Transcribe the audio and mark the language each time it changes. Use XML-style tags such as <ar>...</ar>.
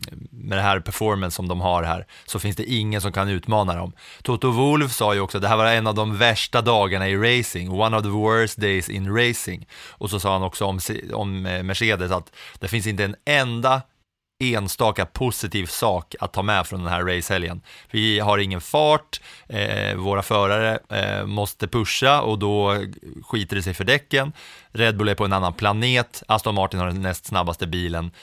<sv>Med det här performance som de har här, så finns det ingen som kan utmana dem. Toto Wolff sa ju också att det här var en av de värsta dagarna i racing.</sv> <en>One of the worst days in racing.</en> <sv>Och så sa han också om Mercedes att det finns inte en enda enstaka positiv sak att ta med från den här racehelgen. Vi har ingen fart, våra förare måste pusha och då skiter det sig för däcken. Red Bull är på en annan planet, Aston Martin har den näst snabbaste bilen.</sv>